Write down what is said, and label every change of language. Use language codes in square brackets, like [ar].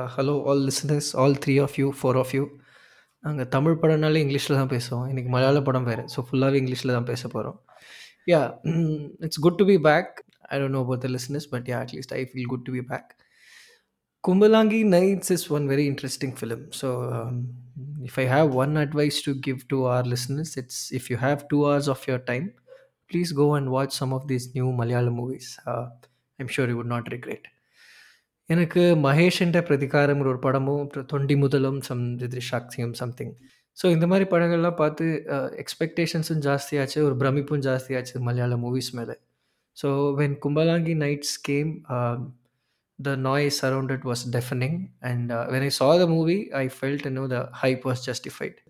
[en] Hello all listeners, all 3 of you, 4 of you. [ta] நாங்கள் தமிழ் படம்னாலே இங்கிலீஷில் தான் பேசுவோம். இன்றைக்கி மலையாள படம் வேறு, ஸோ ஃபுல்லாகவே இங்கிலீஷில் தான் பேச போகிறோம். [en] Yeah, it's good to be back. I don't know about the listeners, but yeah, at least I feel good to be back. Kumbalangi Nights is one very interesting film. So if I have one advice to give to our listeners, it's if you have 2 hours of your time, please go and watch some of these new Malayalam movies. I'm sure you would not regret. [ta] எனக்கு மகேஷ் என்ற பிரதிகாரம் ஒரு படமும், தொண்டி முதலும் சாக்சியம் something. So இந்த மாதிரி படங்கள்லாம் பார்த்து எக்ஸ்பெக்டேஷன்ஸும் ஜாஸ்தியாச்சு, ஒரு பிரமிப்பும் ஜாஸ்தியாச்சு மலையாள மூவிஸ் மேலே. [en] So when Kumbalangi Nights came, the noise around it was deafening, and when I saw the movie, I felt, you know, the hype was justified.